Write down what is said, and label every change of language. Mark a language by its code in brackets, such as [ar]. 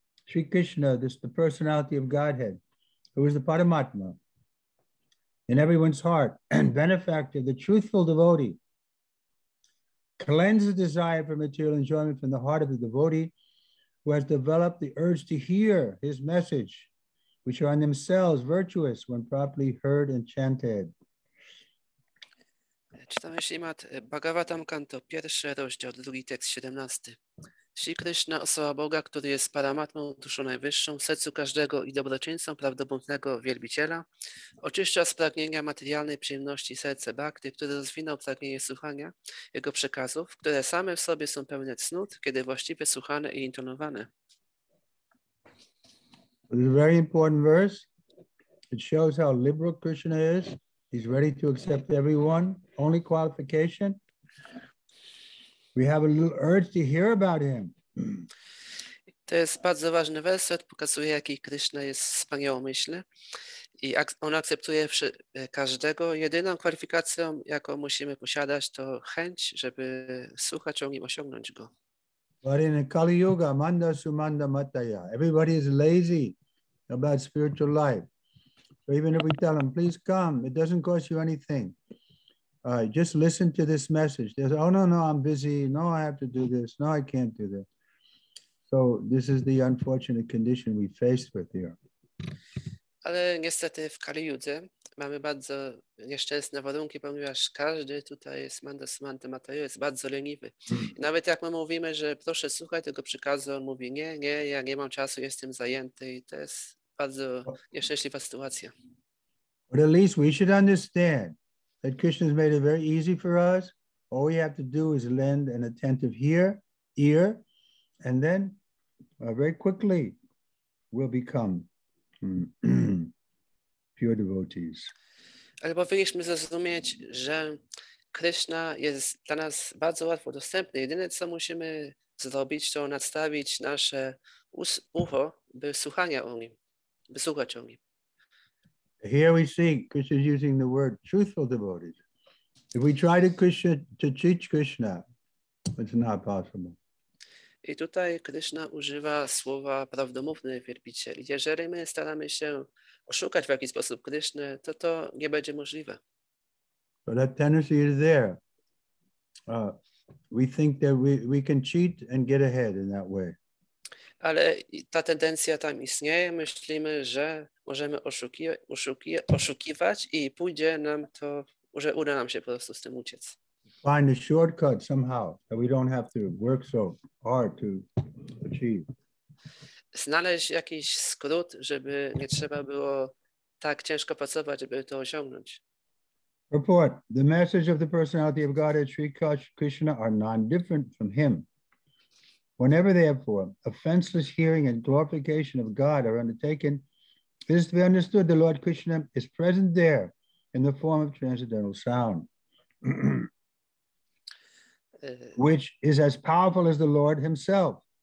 [en] Sri Krishna, this is the personality of Godhead, who is the Paramatma in everyone's heart and benefactor, the truthful devotee, cleanses desire for material enjoyment from the heart of the devotee, who has developed the urge to hear his message, which are in themselves virtuous when properly heard and chanted. [pl] Czytamy Śrimad Bhagavatam, kanto 1, rozdział 2, tekst 17. Sri Krishna, osoba Boga, który jest paramatmą, duszą najwyższą, w sercu każdego i dobroczyńcą prawdobądnego wielbiciela, oczyszcza z pragnienia materialnej przyjemności serce bhakty, który rozwinął pragnienie słuchania jego przekazów, które same w sobie są pełne cnót, kiedy właściwie słuchane i intonowane. [en] This is a very important verse. It shows how liberal Krishna is. He's ready to accept everyone. Only qualification. We have a little urge to hear about him. [pl] To jest bardzo ważny werset, pokazuje, jaki Krishna jest wspaniałomyślny. I on akceptuje każdego. Jedyną kwalifikacją, jaką musimy posiadać, to chęć, żeby słuchać o nim, osiągnąć go. [en] But in a Kali Yuga, [sa] manda sumanda mataya, [en] everybody is lazy about spiritual life. So even if we tell them, please come, it doesn't cost you anything. Just listen to this message. They say, oh, no, I'm busy. No, I have to do this. No, I can't do this. So this is the unfortunate condition we faced with here. [pl] Ale niestety w Kali Yudze mamy bardzo nieszczęsne warunki, ponieważ każdy tutaj jest mandasmanta Mateo, jest bardzo leniwy. Nawet jak my mówimy, że proszę słuchaj tego przykazu, on mówi nie, ja nie mam czasu, jestem zajęty. I to jest bardzo nieszczęśliwa sytuacja. [en] But at least we should understand that Krishna has made it very easy for us. All we have to do is lend an attentive ear, and then very quickly we'll become pure devotees. [pl] Ale powinniśmy zrozumieć, że Krishna jest dla nas bardzo łatwo dostępny. Jedyne, co musimy zrobić, to nadstawić nasze ucho, by słuchania o nim, by słuchać o nim. [en] Here we see Krishna is using the word truthful devotees. If we try to Krishna to teach Krishna, it's not possible. [pl] I tutaj Krishna używa słowa prawdomówny wielbiciel. Jeżeli my staramy się oszukać w jakiś sposób Krishna, to nie będzie możliwe. [en] But that tendency is there. We think that we can cheat and get ahead in that way. [pl] Ale ta tendencja tam istnieje. Myślimy, że możemy oszukiwać i pójdzie nam to, że uda nam się po prostu z tym uciec. [en] Find a shortcut somehow that we don't have to work so hard to achieve. [pl] Znaleźć jakiś skrót, żeby nie trzeba było tak ciężko pracować, żeby to osiągnąć. [en] Report. The message of the personality of God and Sri Krishna are non-different from him. Whenever, therefore, offenseless hearing and glorification of God are undertaken, it is to be understood that Lord Krishna is present there in the form of transcendental sound, which is as powerful as the Lord himself.